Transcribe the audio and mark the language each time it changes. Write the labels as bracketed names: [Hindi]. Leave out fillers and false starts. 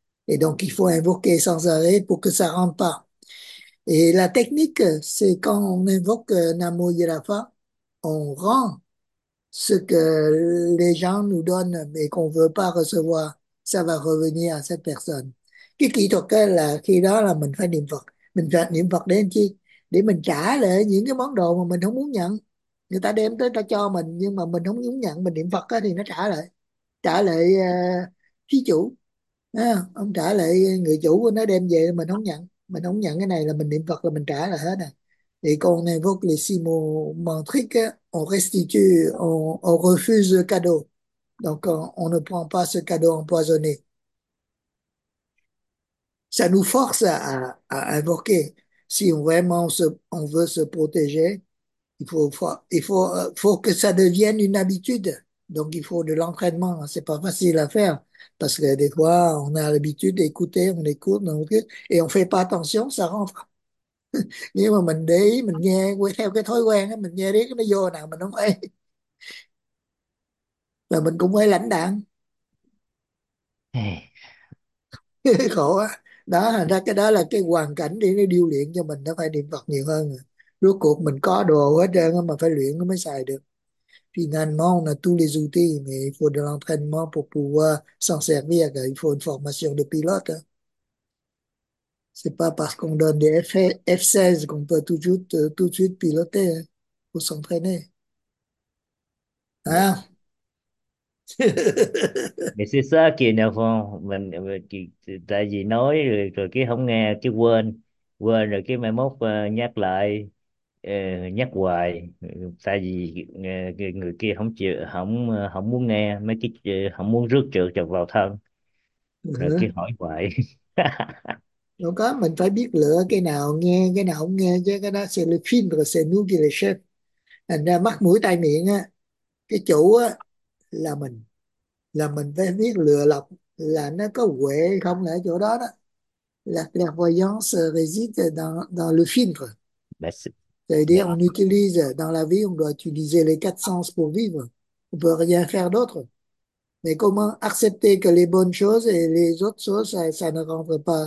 [French] Et donc, il faut invoquer sans arrêt pour que ça rentre pas. Et la technique, c'est quand on invoque Namo Yirafa, on rend ce que les gens nous donnent et qu'on veut pas recevoir. Ça va revenir à cette personne. [Vietnamese] Cái kỹ thuật đó là khi đó là mình phải niệm Phật. Mình phải niệm Phật để làm chi? Để mình trả lại những cái món đồ mà mình không muốn nhận. Người ta đem tới ta cho mình nhưng mà mình không muốn nhận, mình niệm Phật đó, thì nó trả lại. Trả lại thí chủ. À, ông trả lại người chủ của nó đem về mình không nhận. Mình không nhận cái này là mình niệm Phật là mình trả lại hết nè. [French] Et quand on invoque les six mots mantriques, on restitue, on refuse le cadeau. Donc on ne prend pas ce cadeau empoisonné. Ça nous force à invoquer. Si vraiment on veut se protéger, il faut que ça devienne une habitude. Donc il faut de l'entraînement. C'est pas facile à faire parce que des fois on a l'habitude d'écouter, on écoute, donc, et on fait pas attention, ça rentre. [Vietnamese] Nhưng mà mình để ý, mình nghe theo cái thói quen ấy, mình nghe riết nó vô nào mình không phải là mình cũng phải lãnh đạn khổ á đó. Thành ra cái đó là cái hoàn cảnh để nó điêu luyện cho mình, nó phải niệm Phật nhiều hơn. Rốt cuộc mình có đồ hết trơn mà phải luyện nó mới xài được. [French] Thì normalement on a tous les outils mais il faut de l'entraînement pour pouvoir s'en servir, il faut une formation de pilote. C'est pas parce qu'on donne des F-16 qu'on peut tout de suite piloter. Il faut s'entraîner. Hein? Mais c'est ça qui est énervant, [Vietnamese] tại vì nói rồi cái không nghe, cái quên quên rồi cái mai mốt nhắc lại, nhắc hoài, tại vì người kia không chịu, không không muốn nghe mấy cái, không muốn rước trượt trượt vào thân, rồi cứ hỏi hoài. Đâu có, mình phải biết lựa cái nào nghe, cái nào không nghe chứ. Cái đó [French] c'est le film, c'est nous qui le chef. [Vietnamese] Thành ra mắt mũi tai miệng á, cái chủ á là mình. Là mình phải biết lựa lọc là nó có huệ không ở chỗ đó đó. [French] La clairvoyance réside dans le filtre. C'est-à-dire on utilise dans la vie, on doit utiliser les quatre sens pour vivre. On peut rien faire d'autre. Mais comment accepter que les bonnes choses et les autres choses, ça ne rentre pas?